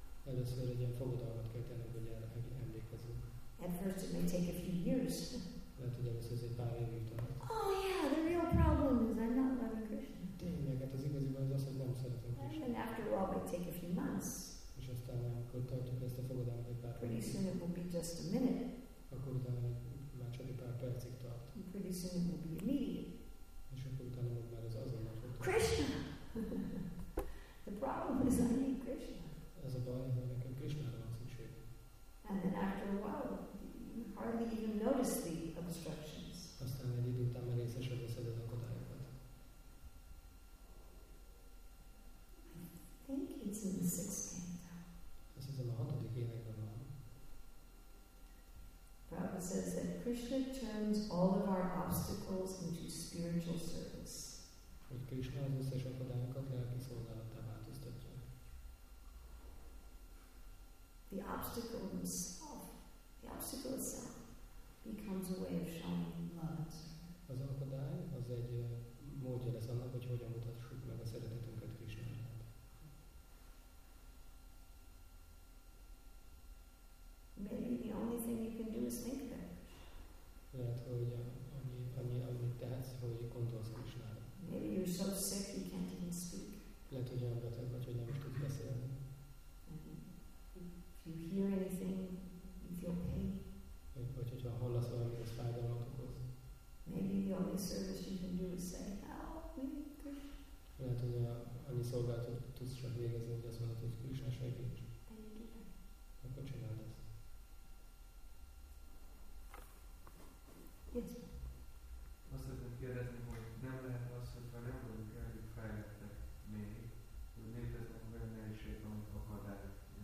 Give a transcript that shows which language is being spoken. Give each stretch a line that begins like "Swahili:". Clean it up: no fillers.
Hungarian: Először egy ilyen fogadalmat kell tennünk, hogy erre emlékezünk.
English: At first it may take a few years.
Hungarian: Lehet, hogy először ez egy pár évig tart.
English: Oh yeah, the real problem is I'm not loving Krishna.
Hungarian: Tényleg, hát az igazi baj az az, hogy nem szeretem Krishna.
English: And after all, it may take a few months.
Hungarian: És aztán, amikor tartjuk ezt a fogadalmat egy pár
English: pretty soon it will be just a minute.
Hungarian: Akkor utána már csak egy pár percig tart.
English: And pretty soon it will be immediate.
Hungarian: És akkor utána már ez azonnal fog.
English: Krishna! The problem is I need Krishna.
Hungarian: Ez a baj, hogy nekem Krishnára van szükség.
English: And then after a while, you hardly even notice the obstructions.
Hungarian: Aztán egy idő után már észre sem veszed az akadályokat.
English: I think it's in the sixth canto.
Hungarian: Azt hiszem, a hatodik énekben van.
English: Prabhupada says that Krishna turns all of our obstacles into spiritual service.
Hungarian: Hogy Krishna az összes akadályokat lelki szolgálattá változtatja.
English: The obstacle itself, the obstacle itself, becomes a way of showing love.
Hungarian: Az akadály az egy módja lesz annak, hogy hogyan mutassuk meg a szeretetünket Krisnának.
English: Maybe the only thing you can do is think of it.
Hungarian: Lehet, hogy amit tehetsz, hogy gondolsz Krisnára.
English: Maybe you're so sick you can't even speak.
Hungarian: Lehet, hogy olyan beteg vagy, hogy nem is tudsz beszélni.
English: You hear anything, you feel pain.
Hungarian: Vagy hogyha hallasz valamit, az fájdalmat okoz.
English: Maybe the only service you can do is say, help me, Krishna.
Hungarian: Lehet, hogy annyi szolgáltat tudsz csak végezni, hogy azt mondod, hogy Krishna segíts.
English: Thank you.
Hungarian: Akkor csináld ezt.
English: Yes.
Hungarian: Azt szeretném kérdezni, hogy nem lehet az, hogyha nem vagyunk elég fejlettek még, hogy léteznek olyan nehézségek, amik akadályok.